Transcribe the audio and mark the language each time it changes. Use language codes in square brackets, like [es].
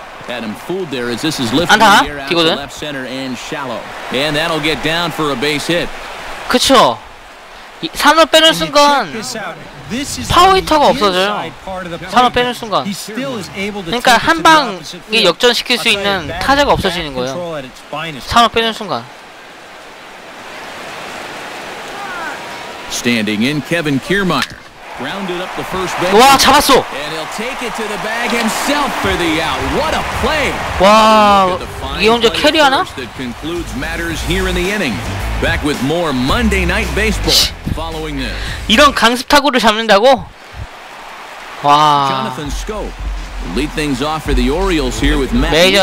[en] Had him fooled there as this is lifting the air out to left center and shallow. And that'll get down for a base hit. [ko] 그쵸. 3루 빼는 순간 파워히터가 없어져요. 3루 빼는 순간. 그러니까 한 방에 역전시킬 수 있는 타자가 없어지는 거예요. 3루 빼는 순간. [en] Standing in Kevin Kiermaier. Grounded up the first base. [ko] 와, 잡았어. [en] And he'll take it to the bag himself for the out. What a play. [ko] 와, 이게 혼자 캐리 하나? [en] That concludes matters here in the inning. Back with more Monday Night Baseball following this. [ko] 이런 강습 타구를 잡는다고? 와. [en] Jonathan Scope lead things off for the Orioles here with Matt.